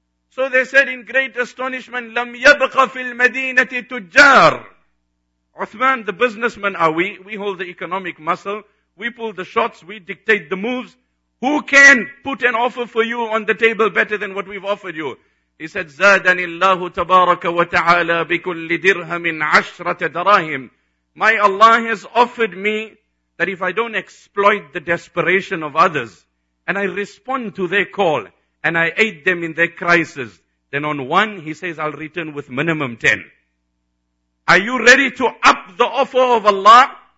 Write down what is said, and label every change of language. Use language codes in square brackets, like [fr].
[en] So they said in great astonishment, [ar] لَمْ يَبْقَ فِي الْمَدِينَةِ تُجَّار. [en] Uthman, the businessmen are we hold the economic muscle, we pull the shots, we dictate the moves. Who can put an offer for you on the table better than what we've offered you? [ar] He said, زَادَنِ اللَّهُ تَبَارَكَ وَتَعَالَى بِكُلِّ دِرْهَمٍ عَشْرَةَ دَرَاهِمٍ [en] My Allah has offered me that if I don't exploit the desperation of others and I respond to their call and I aid them in their crisis, then on one, he says, I'll return with minimum 10. Are you ready to up the offer of Allah?